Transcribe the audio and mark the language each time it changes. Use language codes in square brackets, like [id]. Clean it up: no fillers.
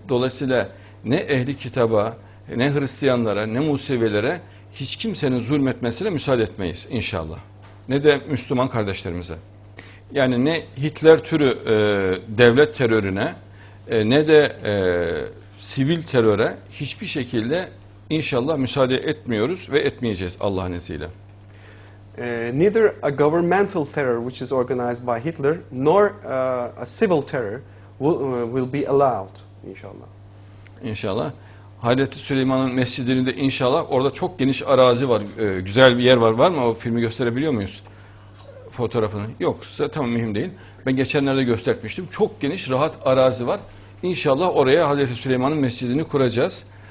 [tr] Dolayısıyla ne ehli kitaba, ne Hristiyanlara, ne Musevilere hiç kimsenin zulmetmesine müsaade etmeyiz inşallah. Ne de Müslüman kardeşlerimize. Yani ne Hitler türü devlet terörüne, ne de sivil teröre hiçbir şekilde inşallah müsaade etmiyoruz ve etmeyeceğiz Allah'ın izniyle. [en] Neither a governmental terror which is organized by Hitler nor a civil terror will be allowed inşallah. [tr] İnşallah. Hazreti Süleyman'ın mescidini de inşallah, orada çok geniş arazi var, güzel bir yer var. Var mı o filmi gösterebiliyor muyuz fotoğrafını? Yoksa tamam, mühim değil. Ben geçenlerde göstermiştim. Çok geniş, rahat arazi var. İnşallah oraya Hazreti Süleyman'ın mescidini kuracağız.